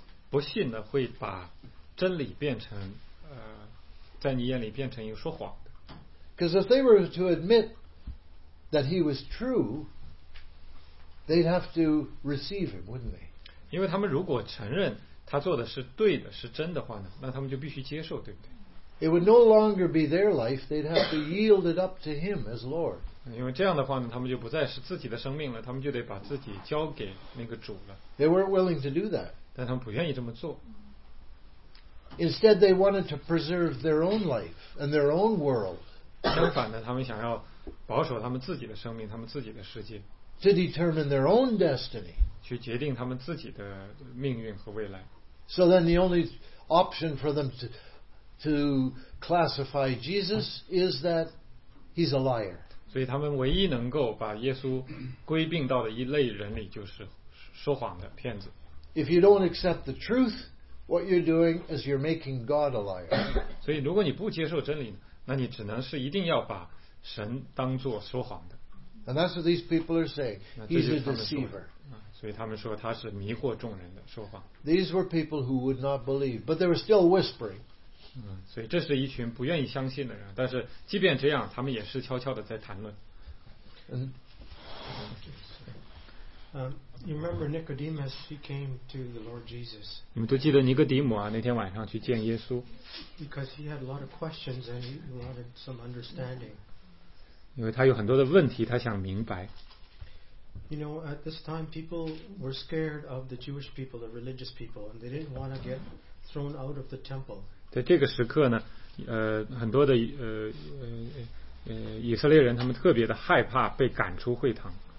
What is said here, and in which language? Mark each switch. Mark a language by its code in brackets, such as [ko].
[zh] 不信呢，会把真理变成在你眼里变成一个说谎的。 [en] Because if they were to admit that he was true, they'd have to receive him, wouldn't they? [zh] 因为他们如果承认他做的是对的，是真的话呢，那他们就必须接受，对不对？ [en] It would no longer be their life; they'd have to yield it up to him as Lord. [zh] 因为这样的话呢，他们就不再是自己的生命了，他们就得把自己交给那个主了。 [en] They weren't willing to do that. [zh] 但他们不愿意这么做。 [en] Instead, they wanted to preserve their own life and their own world. [zh] 相反的，他们想要保守他们自己的生命，他们自己的世界。 [en] To determine their own destiny. [zh] 去决定他们自己的命运和未来。 [en] So then the only option for them to classify Jesus is that he's a liar. [zh] 所以他们唯一能够把耶稣归并到的一类人里就是说谎的骗子。 [en] If you don't accept the truth, what you're doing is you're making God a liar. [zh] 所以如果你不接受真理，那你只能是一定要把神当作说谎的。 [en] And that's what these people are saying. He's a deceiver. [zh] 所以他们说他是迷惑众人的说谎。 [en] These were people who would not believe, but they were still whispering. [zh] 所以这是一群不愿意相信的人，但是即便这样，他们也是悄悄的在谈论。 [en] You remember Nicodemus? He came to the Lord Jesus. [zh] 你们都记得尼哥底母啊，那天晚上去见耶稣。 [en] Because he had a lot of questions and he wanted some understanding. [zh] 因为他有很多的问题，他想明白。 [en] You know, at this time, people were scared of the Jewish people, the religious people, and they didn't want to get thrown out of the temple. [zh] 在这个时刻呢，很多的以色列人他们特别的害怕被赶出会堂。